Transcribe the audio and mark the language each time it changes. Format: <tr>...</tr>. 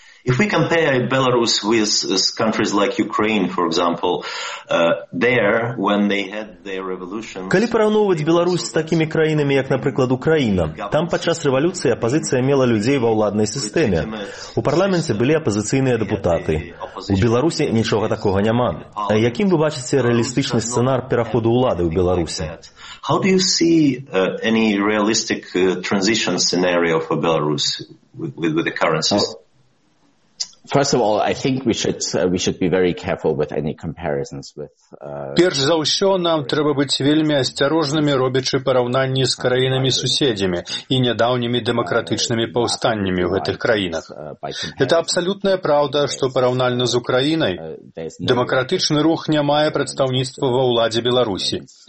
<en>If we compare Belarus with countries like Ukraine, for example, there when they had their revolution.</en> <be>Калі параўноўваць Беларусь з такімі краінамі, як, напрыклад, Украіна, там падчас рэвалюцыі апазіцыя мела людзей ва ўладнай сістэме. У парламенце былі апазіцыйныя дэпутаты. У Беларусі нічога такога няма. А якім вы бачыце рэалістычны сцэнар пераходу ўлады ў Беларусі?</be> <en>How do you see any realistic transition scenario for Belarus with the current system? First of all, I think we should be very careful with any comparisons with</en> <be>Перш за ўсё, нам трэба быць вельмі асцярожнымі, робячы параўнанні з краінамі-суседзямі і нядаўнімі дэмакратычнымі паўстаннямі ў гэтых краінах. Гэта абсалютная праўда, што параўнальна з Украінай, дэмакратычны рух не мае прадстаўніцтва ва ўладзе Беларусі.</be>